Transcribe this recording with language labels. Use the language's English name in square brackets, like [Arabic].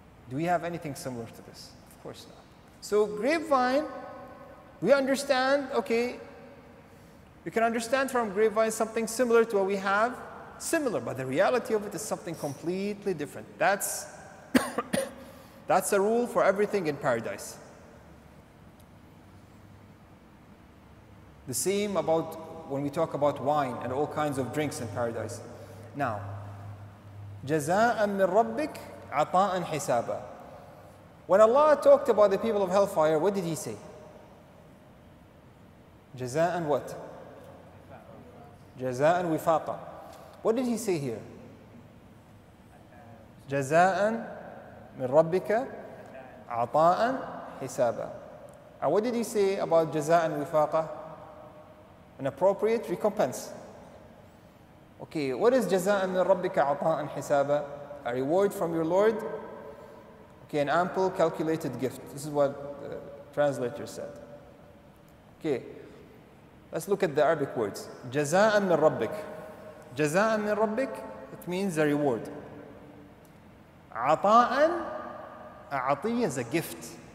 [English] Do we have anything similar to this? Of course not. So grapevine, we understand, okay, you can understand from grapevine something similar to what we have, similar, but the reality of it is something completely different. That's that's a rule for everything in paradise. The same about when we talk about wine and all kinds of drinks in paradise. Now, [Arabic] جَزَاءً مِّن رَبِّكْ عَطَاءً حِسَابًا. [English] When Allah talked about the people of hellfire, what did He say? جَزَاءً what? [Arabic] جَزَاءً وِفَاقًا. [English] What did He say here? [Arabic] جَزَاءً مِن رَبِّكَ عَطَاءً حِسَابًا. [English] What did He say about [Arabic] جَزَاءً وِفَاقًا? [English] An appropriate recompense. Okay, what is [Arabic] جَزَاءً مِن رَبِّكَ عَطَاءً حِسَابًا? [English] A reward from your Lord. Okay, an ample calculated gift. This is what the translator said. Okay. Let's look at the Arabic words. [Arabic] جَزَاءً مِن رَبِّكَ. جَزَاءً مِن رَبِّكَ, [English] it means a reward. عَطَاءً, عَطِيَّ is a gift.